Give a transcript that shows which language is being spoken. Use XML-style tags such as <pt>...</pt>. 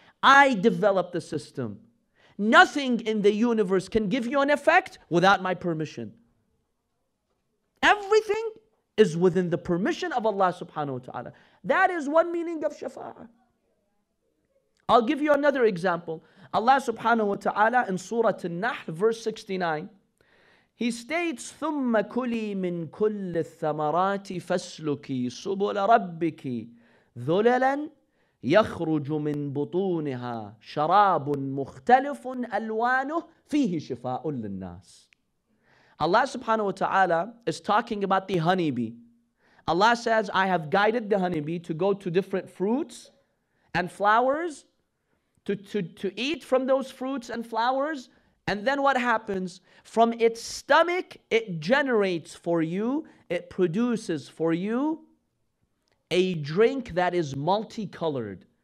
<en>I developed the system. Nothing in the universe can give you an effect without my permission. Everything is within the permission of Allah subhanahu wa ta'ala. That is one meaning of shafa'a. I'll give you another example. Allah subhanahu wa ta'ala in Surah An-Nahl, verse 69, He states,</en> <ar>ثُمَّ كُلِي مِن كُلِّ الثَّمَرَاتِ فَاسْلُكِي سُبُلَ رَبِّكِ ذُلَلًا يَخْرُجُ مِن بُطُونِهَا شَرَابٌ مُخْتَلِفٌ أَلْوَانُهُ فِيهِ شِفَاءٌ لِلنَّاسِ.</ar> <en>Allah subhanahu wa ta'ala is talking about the honeybee. Allah says, I have guided the honeybee to go to different fruits and flowers, to eat from those fruits and flowers. And then what happens? From its stomach, it generates for you, it produces for you a drink that is multicolored.</en>